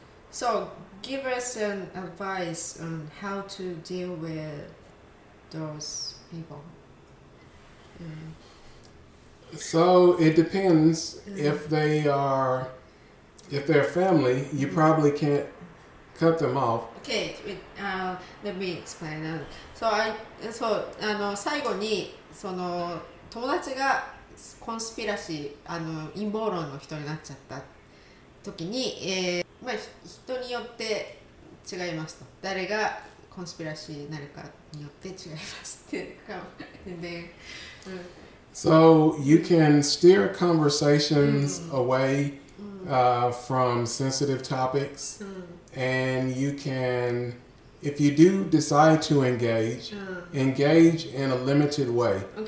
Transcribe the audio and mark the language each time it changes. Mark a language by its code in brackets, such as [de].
[en] So give us an advice on how to deal with those people. So it depends. If they're family, you probably can't cut them off. Okay, let me explain. [ja] So 最後にその友達がコンスピラシー陰謀論の人になっちゃった時に、まあ、人によって違いますと。誰がコンスピラシーになるかによって違いますっていうか。 [en] So you can steer conversations away from sensitive topics, and you can, if you do decide to engage, engage in a limited way.